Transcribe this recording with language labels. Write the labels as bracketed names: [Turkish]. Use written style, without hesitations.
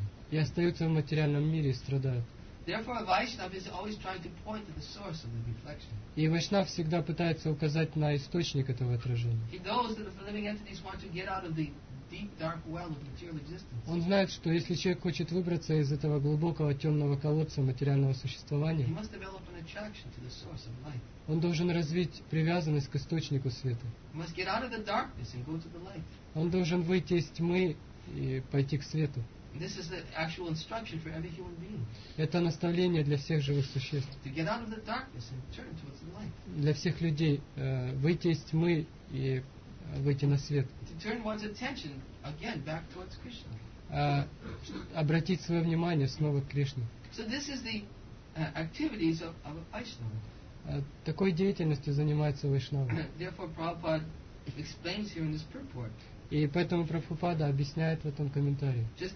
[Russian] И остаются в материальном мире и страдают. [English] Therefore, a Vaishnava is always trying to point to the source of the reflection. [Russian] И Вайшнав всегда пытается указать на источник этого отражения. [English] He knows that if living entities want to get out of the deep dark well of material existence. [Russian] Он знает, что если человек хочет выбраться из этого глубокого темного колодца материального существования, [English] he must develop an attraction to the source of light. [Russian] Он должен развить привязанность к источнику света. [English] He must get out of the darkness and go to the light. [Russian] Он должен выйти из тьмы и пойти к свету. [English] This is the actual instruction for every human being. [Russian] Это наставление для всех живых существ. [English] To get out of the darkness and turn towards the light. [Russian] Для всех людей выйти из тьмы и выйти на свет. [English] To turn one's attention again back towards Krishna. [Russian] Обратить свое внимание снова к Кришне. [English] So this is the activities of a Vaishnava. [Russian] Такой деятельностью занимается Вайшнава. [English] Therefore, Prabhupada explains here in this purport. [Russian] И поэтому Прабхупада объясняет в этом комментарии.